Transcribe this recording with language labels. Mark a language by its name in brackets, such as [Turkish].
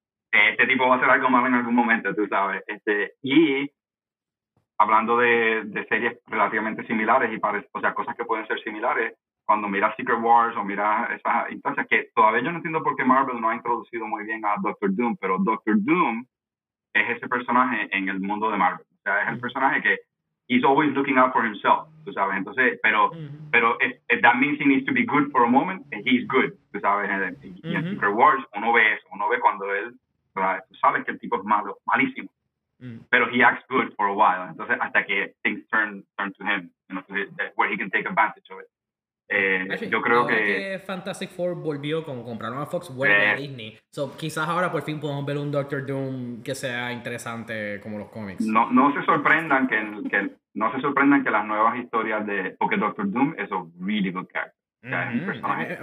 [Spanish] Este tipo va a hacer algo malo en algún momento, tú sabes. Este, y hablando de series relativamente similares, y para, o sea, cosas que pueden ser similares, cuando miras Secret Wars o miras esas instancias, que todavía yo no entiendo por qué Marvel no ha introducido muy bien a Doctor Doom, pero Doctor Doom es ese personaje en el mundo de Marvel. O sea, es el personaje que [English] he's always looking out for himself, [Spanish] tú sabes. Entonces, pero, pero [English] if that means he needs to be good for a moment, he's good, [Spanish] tú sabes. Y en Secret Wars uno ve eso, uno ve cuando él, tú sabes que el tipo es malo, malísimo. Pero [English] he acts good for a while, [Spanish] entonces hasta que [English] things turn to him, you know, to his, where he can take advantage of it. [Spanish] Yo creo ahora que Fantastic Four volvió, como compraron a Fox, vuelve a Disney. So, quizás ahora por fin podemos ver un Doctor Doom que sea interesante como los cómics. No, no se sorprendan que no se sorprendan que las nuevas historias de, porque Doctor Doom es un [English] really good character.